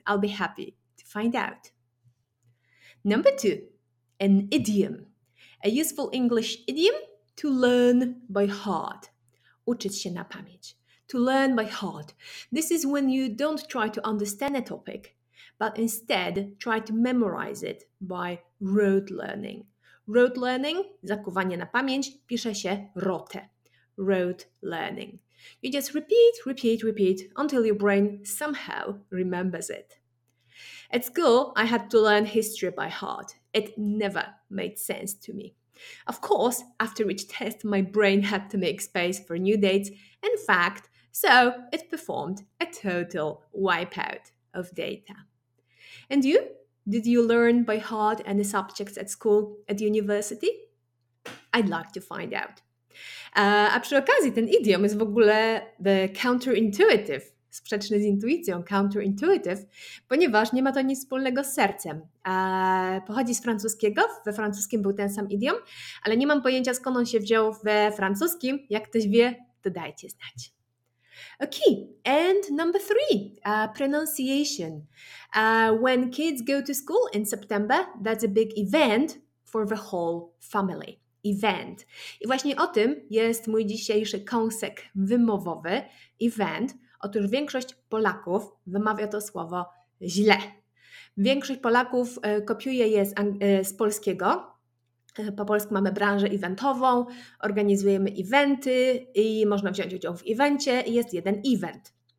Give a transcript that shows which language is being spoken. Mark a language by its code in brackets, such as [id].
[en] I'll be happy to find out. Number two, an idiom. A useful English idiom to learn by heart. [pl] Uczyć się na pamięć. [en] To learn by heart. This is when you don't try to understand a topic, but instead try to memorize it by rote learning. Rote learning, [pl] zakuwanie na pamięć, pisze się rote. [en] Rote learning. You just repeat until your brain somehow remembers it. At school, I had to learn history by heart. It never made sense to me. Of course, after each test, my brain had to make space for new dates and fact, so it performed a total wipeout of data. And you? Did you learn by heart any subjects at school, at university? I'd like to find out. [pl] A przy okazji, ten idiom jest w ogóle [en] the counterintuitive. [pl] Sprzeczny z intuicją, counterintuitive, ponieważ nie ma to nic wspólnego z sercem. Pochodzi z francuskiego, we francuskim był ten sam idiom, ale nie mam pojęcia skąd on się wziął we francuskim. Jak ktoś wie, to dajcie znać. [en] Okay, and number three, pronunciation. When kids go to school in September, that's a big event for the whole family. Event. [pl] I właśnie o tym jest mój dzisiejszy kąsek wymowowy, event. Otóż większość Polaków wymawia to słowo źle. Większość Polaków kopiuje je z polskiego. Po polsku mamy branżę eventową, organizujemy eventy i można wziąć udział w evencie i jest jeden event.